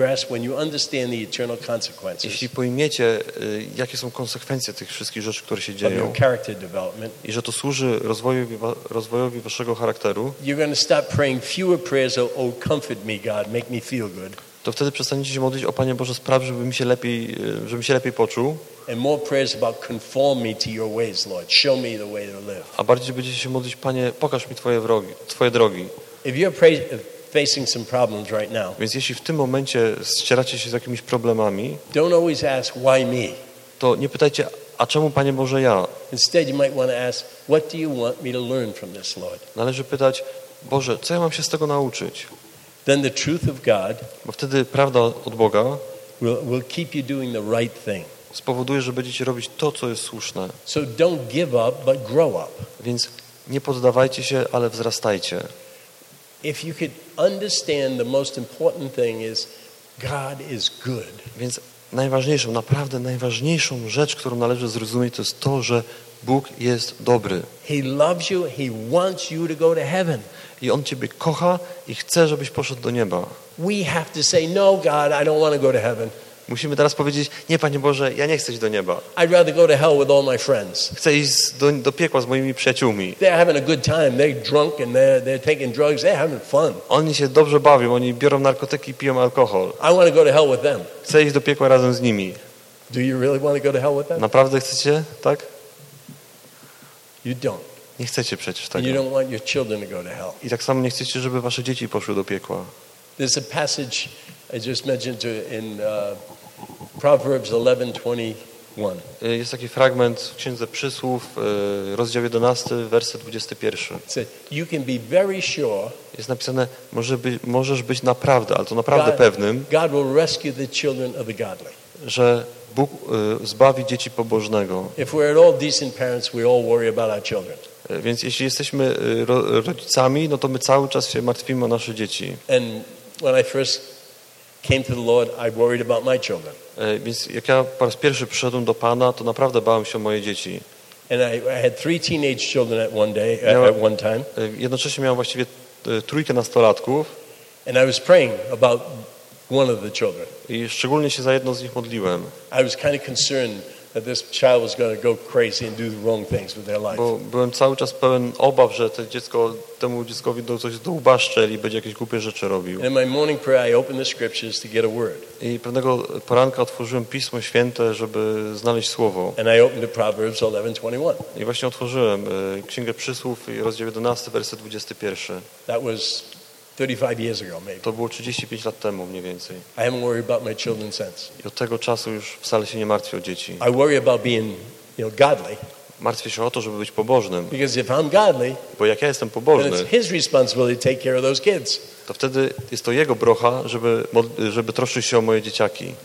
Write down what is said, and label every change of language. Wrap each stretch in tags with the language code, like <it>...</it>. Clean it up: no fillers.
<en>When you understand the eternal consequences,</en> <pl>jeśli pojmiecie, jakie są konsekwencje tych wszystkich rzeczy, które się dzieją, i że to służy rozwojowi waszego charakteru,</pl> <en>you're going to stop praying fewer prayers, oh comfort me God, make me feel good.</en> <pl>To wtedy przestaniecie się modlić o Panie Boże, spraw, żebym się lepiej poczuł.</pl> <en>And more prayers about conform me to your ways, Lord. Show me the way to live.</en> <pl>A bardziej będziecie się modlić, Panie, pokaż mi twoje drogi.</pl> <en>If you're facing some problems right now.</en> <pl>Więc jeśli w tym momencie ścieracie się z jakimiś problemami,</pl> <en>don't always ask why me.</en> <pl>To nie pytajcie, a czemu Panie Boże ja?</pl> <en>Instead you might want to ask, what do you want me to learn from this, Lord?</en> <pl>Należy pytać, Boże, co ja mam się z tego nauczyć?</pl> <en>Then the truth of God,</en> <pl>bo wtedy prawda od Boga,</pl> <en>will keep you doing the right thing.</en> <pl>Spowoduje, że będziecie robić to, co jest słuszne.</pl> <en>So don't give up, but grow up.</en> <pl>Więc nie poddawajcie się, ale wzrastajcie.</pl> <en>If you could understand the most important thing is God is good.</en> <pl>Więc najważniejszą, naprawdę najważniejszą rzecz, którą należy zrozumieć, to jest to, że Bóg jest dobry.</pl> <en>He loves you, he wants you to go to heaven.</en> <pl>I on ciebie kocha i chce, żebyś poszedł do nieba.</pl> <en>We have to say no God, I don't want to go to heaven.</en> <pl>Musimy teraz powiedzieć, nie Panie Boże, ja nie chcę iść do nieba.</pl> <en>I'd rather go to hell with all my friends.</en> <pl>Chcę iść do piekła z moimi przyjaciółmi.</pl> <en>They're having a good time, they're drunk and they're taking drugs, they're having fun.</en> <pl>Oni się dobrze bawią, oni biorą narkotyki i piją alkohol.</pl> <en>I want to go to hell with them.</en> <pl>Chcę iść do piekła razem z nimi.</pl> <en>Do you really want to go to hell with them?</en> <pl>Naprawdę chcecie, tak?</pl> <en>You don't.</en> <pl>Nie chcecie przecież tego.</pl> <en>And you don't want your children to go to hell.</en> <pl>I tak samo nie chcecie, żeby wasze dzieci poszły do piekła.</pl> <en>There's a passage I just mentioned to in Proverbs 11:21.</en> <pl>Jest taki fragment w Księdze Przysłów, rozdział 11, werset 21.</pl> <en>You can be very sure.</en> <pl>Jest napisane, możesz być naprawdę, ale to naprawdę pewnym.</pl> <en>God will rescue the children of the godly.</en> <pl>Że Bóg zbawi dzieci pobożnego.</pl> <en>If we're at all decent parents, we all worry about our children.</en> <pl>Więc jeśli jesteśmy rodzicami, no to my cały czas się martwimy o nasze dzieci.</pl> <en>And when I first came to the Lord, I worried about my children.</en> <pl>Więc jak ja po raz pierwszy przyszedłem do Pana, to naprawdę bałem się o moje dzieci.</pl> <en>And I had three teenage children at one day, at one time.</en> <pl>Jednocześnie miałem właściwie trójkę nastolatków.</pl> <en>And I was praying about one of the children.</en> <pl>I szczególnie się za jedno z nich modliłem.</pl> <en>I was kind of concerned that this child was going to go crazy and do the wrong things with their life.</en> <pl>Bo byłem cały czas pełen obaw, że to dziecko, temu dzieckowi do coś do łba szczeli, będzie jakieś głupie rzeczy robił.</pl> <en>In my morning prayer, I opened the scriptures to get a word.</en> <pl>I pewnego poranka otworzyłem Pismo Święte, żeby znaleźć słowo.</pl> <en>And I opened the Proverbs 11:21.</en> <pl>I właśnie otworzyłem Księgę Przysłów, rozdział 11, werset 21.</pl> <en>That was 35 years ago, maybe.</en> <pl>To było 35 lat temu, mniej więcej.</pl> <en>I haven't worried about my children since.</en> <pl>I od tego czasu już wcale się nie martwię o dzieci.</pl> <en>I worry about being, you know, godly.</en> <pl>Martwię się o to, żeby być pobożnym.</pl> <en>Because if I'm godly,</en> <pl>bo jak ja jestem pobożny,</pl> <en>then it's his responsibility to take care of those kids.</en> <pl>To wtedy jest to jego brocha, żeby troszczyć się o moje dzieciaki.</pl>